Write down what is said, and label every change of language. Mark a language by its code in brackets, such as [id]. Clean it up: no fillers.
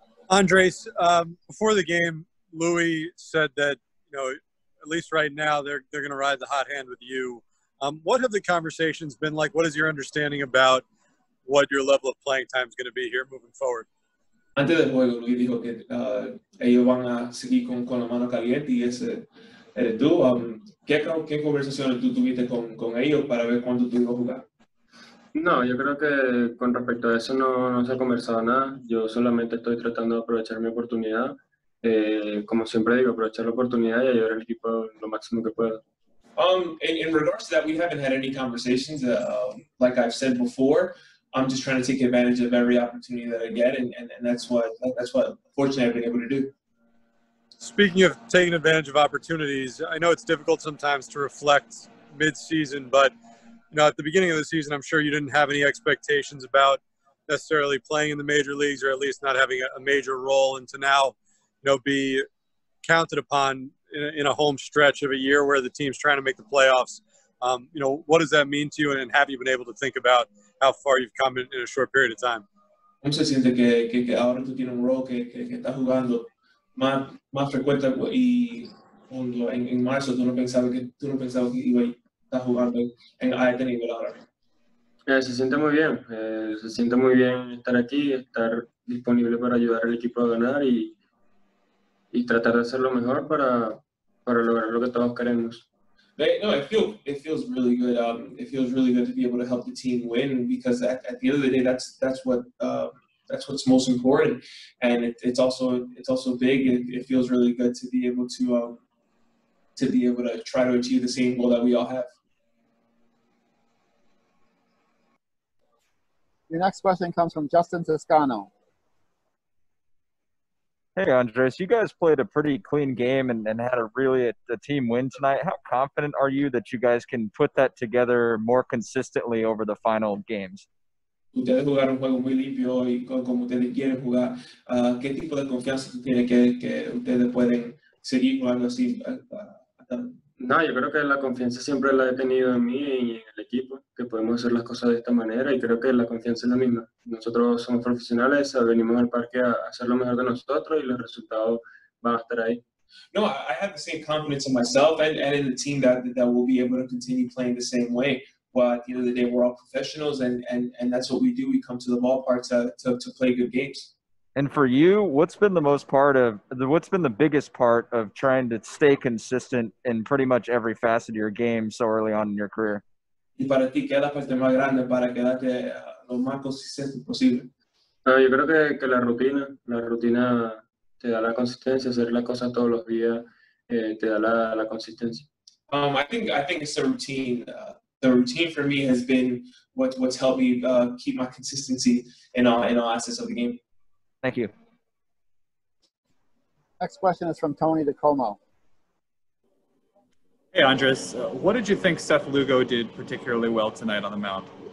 [en] Andrés, before the game, Louis said that, you know, at least right now, they're going to ride the hot hand with you. What have the conversations been like? What is your understanding about what your level of playing time is going to be here moving forward? [es] Antes del juego, Louis dijo que ellos van a seguir con la mano caliente y ese eres tú. ¿Qué conversaciones tú tuviste con ellos para ver cuándo tú ibas a jugar? No, yo creo que con respecto a eso no se ha conversado nada. Yo solamente estoy tratando de aprovechar mi oportunidad. Como siempre digo, aprovechar la oportunidad y ayudar al equipo lo máximo que pueda. [en] In regards to that, we haven't had any conversations. Like I've said before, I'm just trying to take advantage of every opportunity that I get, and that's what fortunately I've been able to do. Speaking of taking advantage of opportunities, I know it's difficult sometimes to reflect mid-season, but you know, at the beginning of the season, I'm sure you didn't have any expectations about necessarily playing in the major leagues or at least not having a major role, and to now, you know, be counted upon in a home stretch of a year where the team's trying to make the playoffs. You know, what does that mean to you, and have you been able to think about how far you've come in a short period of time? [es] ¿Cómo se siente que ahora tú tienes un rol que estás jugando más frecuente y cuando en marzo tú no pensabas que iba a Yeah, se siente muy bien. Se siente muy bien estar aquí, estar disponible para ayudar al equipo a ganar y tratar de hacer lo mejor para lograr lo que todos queremos. [en] No, it feels really good. It feels really good to be able to help the team win, because at the end of the day, that's what's most important, and it's also big. It feels really good to be able to try to achieve the same goal that we all have. Your next question comes from Justin Toscano. Hey, Andrés, you guys played a pretty clean game and had a team win tonight. How confident are you that you guys can put that together more consistently over the final games? [es] Ustedes jugaron un juego muy limpio hoy, como ustedes quieren jugar. ¿Qué tipo de confianza tiene que ustedes pueden seguir con algo así. No, yo creo que la confianza siempre la he tenido en mí y en el equipo, que podemos hacer las cosas de esta manera, y creo que la confianza es la misma. Nosotros somos profesionales, venimos al parque a hacer lo mejor de nosotros y los resultados van a estar ahí. [en] No, I have the same confidence in myself and in the team that we'll be able to continue playing the same way. But at the end of the day, we're all professionals, and that's what we do. We come to the ballpark to play good games. And for you, what's been the biggest part of trying to stay consistent in pretty much every facet of your game so early on in your career? [es] Y para ti, ¿qué es la parte más grande para quedarte lo más consistente posible? Yo creo que la rutina te da la consistencia, hacer la cosa todos los días te da la consistencia. [en] I think it's the routine. The routine for me has been what's helped me keep my consistency in all aspects of the game. Thank you. Next question is from Tony DeComo. Hey, Andres. What did you think Seth Lugo did particularly well tonight on the mound?